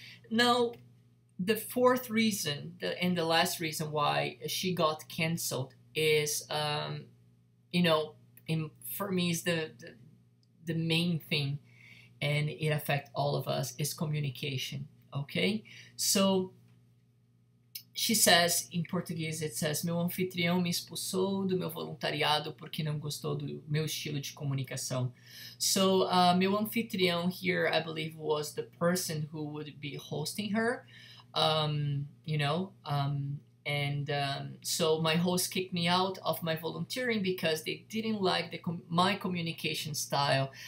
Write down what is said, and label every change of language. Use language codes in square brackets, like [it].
[en] Now, the fourth reason, and the last reason why she got canceled is, for me is the main thing, and it affects all of us, is communication, okay? So, she says, in Portuguese, it says, [pt] meu anfitrião me expulsou do meu voluntariado porque não gostou do meu estilo de comunicação. [en] So, [pt] meu anfitrião [en] here, I believe, was the person who would be hosting her, so my host kicked me out of my volunteering because they didn't like my communication style.